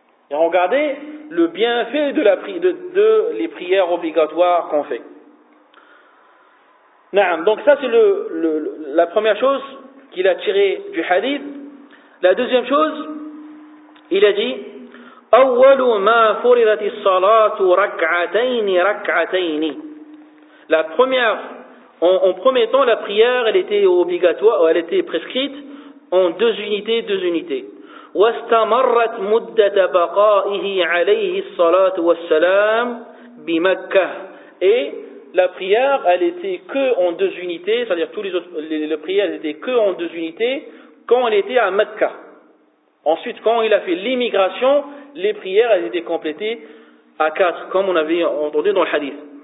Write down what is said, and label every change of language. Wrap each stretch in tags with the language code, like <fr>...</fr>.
<fr>Et regardez le bienfait de les prières obligatoires qu'on fait. Naam. Donc ça c'est la première chose qu'il a tiré du hadith. La deuxième chose, il a dit,</fr> <ar>أول ما فرضت الصلاة ركعتين ركعتين.</ar> <fr>La première, en premier temps, la prière, elle était obligatoire, elle était prescrite en deux unités, deux unités.</fr> <ar>واستمرت مدة بقائه عليه الصلاة والسلام بمكة.</ar> <fr>Et la prière, elle était que en deux unités, c'est-à-dire tous les autres, les prières étaient que en deux unités quand elle était à Mecca. Ensuite, quand il a fait l'immigration, les prières elles étaient complétées à quatre, comme on avait entendu dans le hadith.</fr>